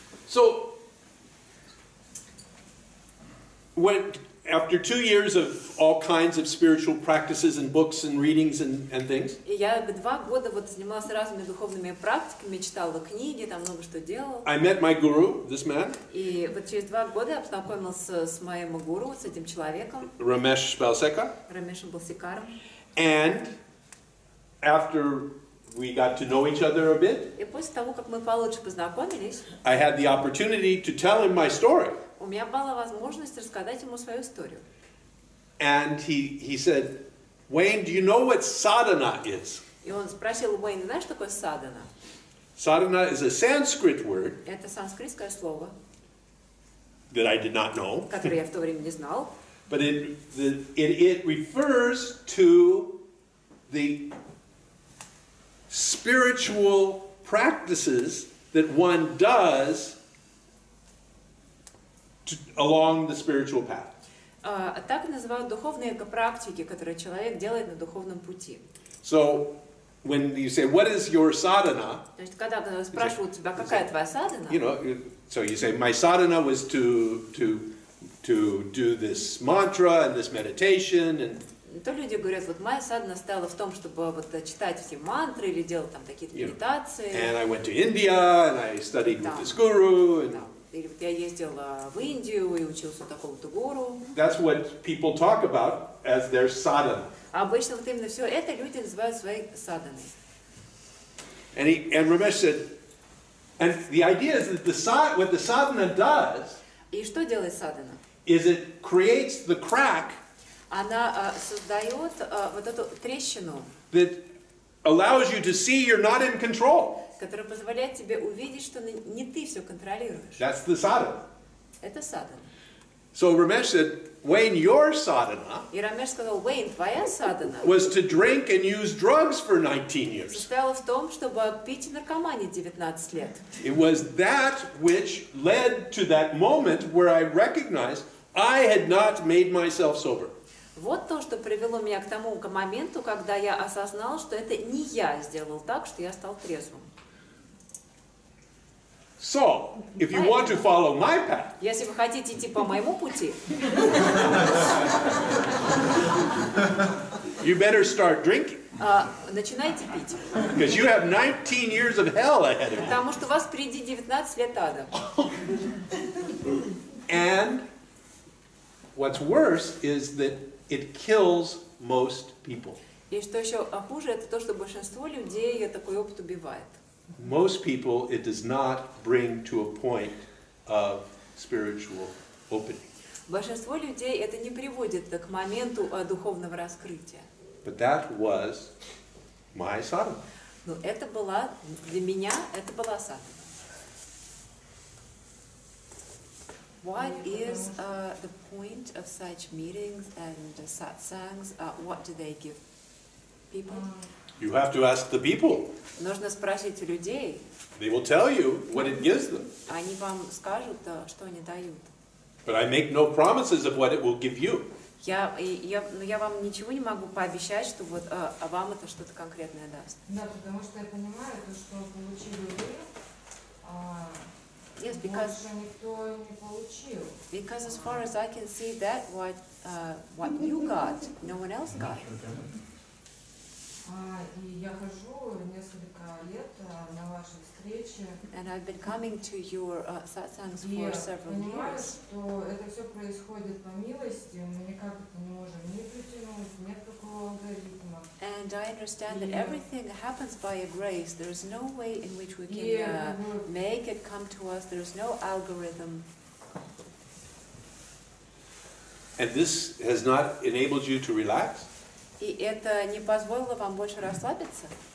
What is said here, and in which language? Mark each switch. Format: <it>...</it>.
<en>So, when after 2 years of all kinds of spiritual practices and books and readings and things,</en> <ru>я два года вот занимался разными духовными практиками, читал книги, там много что делал.</ru> <en>I met my guru, this man.</en> <ru>И вот через два года я познакомился с моим гуру, с этим человеком.</ru> <en>Ramesh Balseka. Ramesh Balsekar. And after we got to know each other a bit.</en> <ru>И после того, как мы получше познакомились,</ru> <en>I had the opportunity to tell him my story.</en> <ru>У меня была возможность рассказать ему свою историю.</ru> <en>And he said, Wayne, do you know what sadhana is?</en> <ru>И он спросил, Wayne, знаешь, что такое sadhana?</ru> <en>Sadhana is a Sanskrit word.</en> <ru>Это санскритское слово.</ru> <en>That I did not know.</en> <ru>Которое я в то время не знал.</ru> <en>But it refers to the spiritual practices that one does along the spiritual path.</en> <ru>Так называют духовные практики, которые человек делает на духовном пути.</ru> <en>So, when you say, what is your sadhana?</en> <ru>То есть, когда спрашивают тебя, какая твоя sadhana?</ru> <en>You know, so you say, my sadhana was to do this mantra and this meditation and</en> <ru>то люди говорят, вот моя садхана стала в том, чтобы вот читать все мантры или делать там такие-то медитации.</ru> <en>And I went to India and I studied with this guru.</en> <ru>Или вот я ездил в Индию и учился у такого-то гуру.</ru> <en>That's what people talk about as their sadhana.</en> <ru>Обычно вот именно все это люди называют своей садханой.</ru> <en>And Ramesh said, and the idea is that what the sadhana does.</en> <ru>И что делает садхана?</ru> <en>Is it creates the crack.</en> <ru>Она создает вот эту трещину,</ru> <en>that allows you to see you're not in control.</en> <ru>Которая позволяет тебе увидеть, что не ты все контролируешь.</ru> <en>That's the sadhana.</en> <ru>Это sadhana.</ru> <en>So Ramesh said, Wayne, your sadhana.</en> <ru>И Ramesh сказал, Wayne, твоя sadhana.</ru> <en>Was to drink and use drugs for 19 years.</en> <ru>Состояла в том, чтобы пить и наркоманить 19 лет.</ru> <en>It was that which led to that moment where I recognized I had not made myself sober.</en> <ru>Вот то, что привело меня к тому моменту, когда я осознал, что это не я сделал так, что я стал трезвым.</ru> <en>So, if you want to follow my path,</en> <ru>если вы хотите идти по моему пути,</ru> <en>you better start drinking.</en> <ru>Начинайте пить.</ru> <en>Because you have 19 years of hell ahead of you.</en> <ru>Потому что у вас впереди 19 лет ада.</ru> <en>And what's worse is that it kills most people.</en> <ru>И что еще хуже, это то, что большинство людей такой опыт убивает.</ru> <en>Most people, it does not bring to a point of spiritual opening.</en> <ru>Большинство людей это не приводит к моменту духовного раскрытия.</ru> <en>But that was my sadhana.</en> <ru>Ну, это была, для меня, это была sadhana.</ru> <en>What is the point of such meetings and satsangs? What do they give people? You have to ask the people.</en> <ru>Нужно спросить людей.</ru> <en>They will tell you what it gives them.</en> <ru>Они вам скажут, что они дают.</ru> <en>But I make no promises of what it will give you.</en> <ru>Я вам ничего не могу пообещать, что вот вам это что-то конкретное даст. Да, потому что я понимаю, то, что получили вы,</ru> <en>yes, because,</en> <ru>больше никто не получил.</ru> <en>Because as far as I can see, that what you got, no one else got.</en> <ru>И я хожу несколько лет на ваши встречи.</ru> <en>And I've been coming to your satsangs for several years.</en> <ru>Я понимаю, что это все происходит по милости, мы никак это не можем ни притянуть, нет такого алгоритма.</ru> <en>And I understand that everything happens by a grace. There is no way in which we can make it come to us. There is no algorithm. And this has not enabled you to relax?</en> <ru>И это не позволило вам больше расслабиться?</ru>